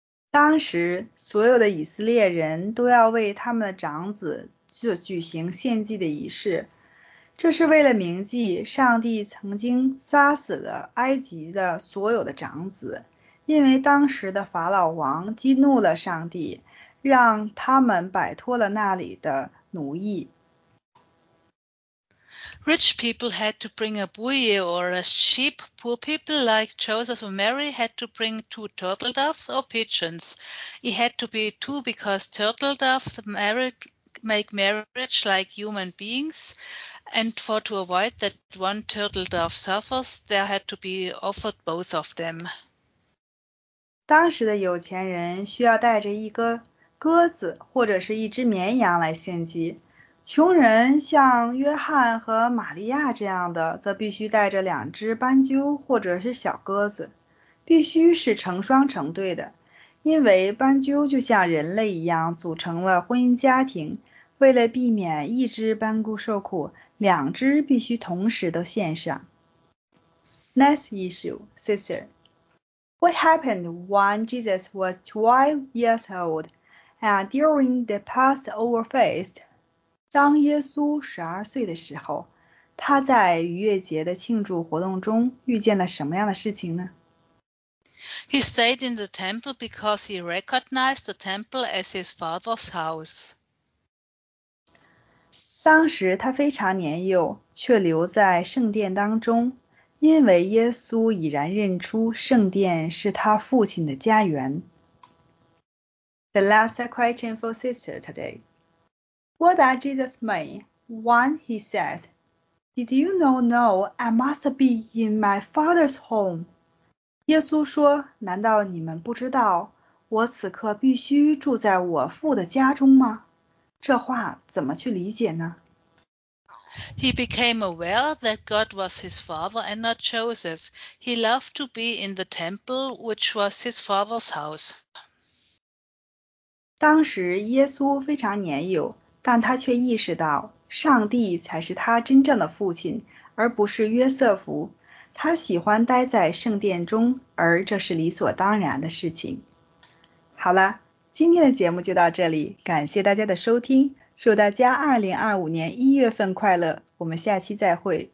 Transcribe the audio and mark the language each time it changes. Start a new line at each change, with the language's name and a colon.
Chinese: 当时所有的以色列人都要为他们的长子做举行献祭的仪式，这是为了铭记上帝曾经杀死了埃及的所有的长子，因为当时的法老王激怒了上帝，让他们摆脱了那里的奴役。
English: Rich people had to bring a bull or a sheep. Poor people like Joseph and Mary had to bring two turtle doves or pigeons. It had to be two because turtle doves make marriage like human beings. And for to avoid that one turtle dove suffers, there had to be offered both of them.
Chinese: 当时的有钱人需要带着一个鸽子或者是一只绵羊来献祭。穷人像约翰和玛利亚这样的则必须带着两只斑鸠或者是小鸽子，必须是成双成对的，因为斑鸠就像人类一样组成了婚姻家庭，为了避免一只斑鸠受苦，两只必须同时都献上。
English: Next issue, sister. What happened when Jesus was 12 years old and during the Passover feast?
Chinese: 当耶稣12岁的时候，他在逾越节的庆祝活动中遇见了什么样的事情呢？
English: He stayed in the temple because he recognized the temple as his father's house.
Chinese: 当时他非常年幼，却留在圣殿当中，因为耶稣已然认出圣殿是他父亲的家园。
English: The last question for sister today. What did Jesus mean when he said, Did you not know I must be in my father's home?
Chinese: 耶稣说，难道你们不知道我此刻必须住在我父的家中吗？这话怎么去理解呢？
English: He became aware that God was his father and not Joseph. He loved to be in the temple which was his father's house.
Chinese: 当时耶稣非常年幼，但他却意识到上帝才是他真正的父亲，而不是约瑟夫。他喜欢待在圣殿中，而这是理所当然的事情。好了，今天的节目就到这里，感谢大家的收听，祝大家2025年1月份快乐，我们下期再会。